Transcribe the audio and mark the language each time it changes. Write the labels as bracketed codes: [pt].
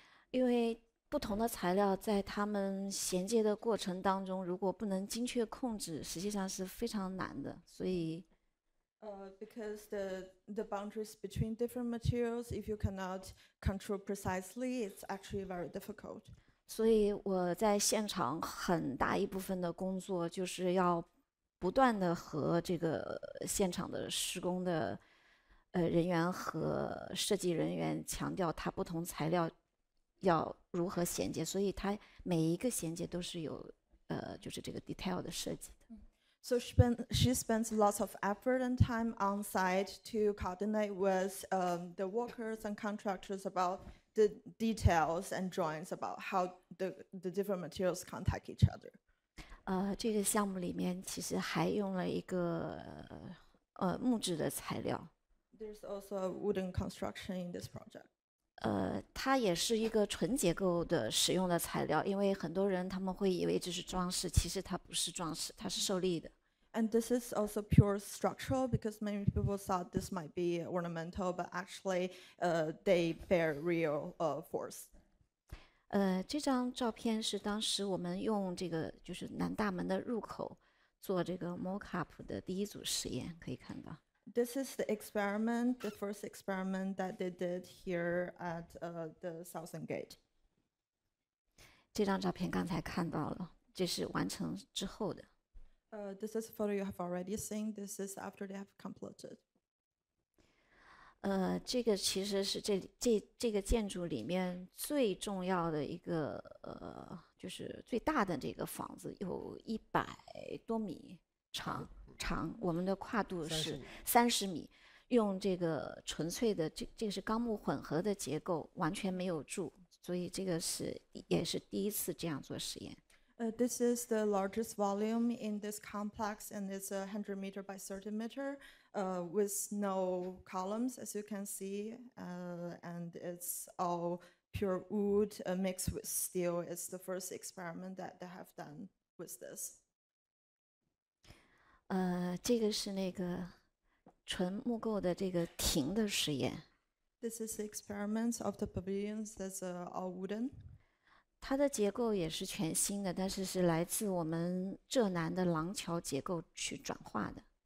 [zh] 因为不同的材料在它们衔接的过程当中，如果不能精确控制，实际上是非常难的。所以 [en] Because the boundaries between different materials, if you cannot control precisely, it's actually very difficult. [zh] 所以我在现场很大一部分的工作就是要不断的和这个现场的施工的人员和设计人员强调它不同材料要如何衔接，所以它每一个衔接都是有就是这个 detail 的设计的。 [en] So she spends lots of effort and time on site to coordinate with the workers and contractors about the details and drawings about how the different materials contact each other. [zh] 这个项目里面其实还用了一个木质的材料。 [en] There's also a wooden construction in this project. [zh] 它也是一个纯结构的使用的材料，因为很多人他们会以为这是装饰，其实它不是装饰，它是受力的。 [en] And this is also pure structural because many people thought this might be ornamental, but actually, they bear real force. [zh] 这张照片是当时我们用这个就是南大门的入口做这个 mock-up 的第一组实验，可以看到。 [en] This is the experiment, the first experiment that they did here at the Southern Gate. [zh] 这张照片刚才看到了，这是完成之后的。 [en] This is a photo you have already seen. This is after they have completed. [zh] 这个其实是这个建筑里面最重要的一个就是最大的这个房子，有100多米长。长我们的跨度是30米，用这个纯粹的这个是钢木混合的结构，完全没有柱，所以这个是也是第一次这样做实验。 [en] This is the largest volume in this complex and it's 100 meter by 30 meter with no columns as you can see and it's all pure wood mixed with steel. It's the first experiment that they have done with this. [zh] 这个是那个纯木构的这个亭的实验。 [en] This is the experiment of the pavilions that's all wooden. [zh] 它的结构也是全新的，但是是来自我们浙南的廊桥结构去转化的。